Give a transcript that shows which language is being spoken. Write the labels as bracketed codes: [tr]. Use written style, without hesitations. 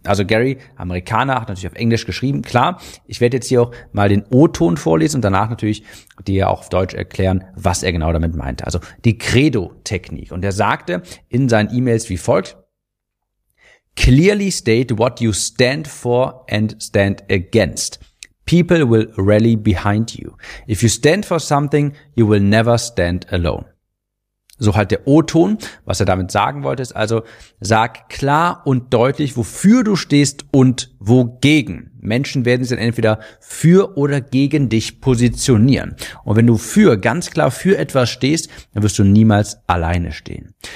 [de] Also Gary, Amerikaner, hat natürlich auf Englisch geschrieben. Klar, ich werde jetzt hier auch mal den O-Ton vorlesen und danach natürlich dir auch auf Deutsch erklären, was er genau damit meinte. Also die Credo-Technik. Und er sagte in seinen E-Mails wie folgt: [en] Clearly state what you stand for and stand against. People will rally behind you. If you stand for something, you will never stand alone. [de] So halt der O-Ton, was er damit sagen wollte, ist also, sag klar und deutlich, wofür du stehst und wogegen. Menschen werden sich dann entweder für oder gegen dich positionieren. Und wenn du für, ganz klar für etwas stehst, dann wirst du niemals alleine stehen.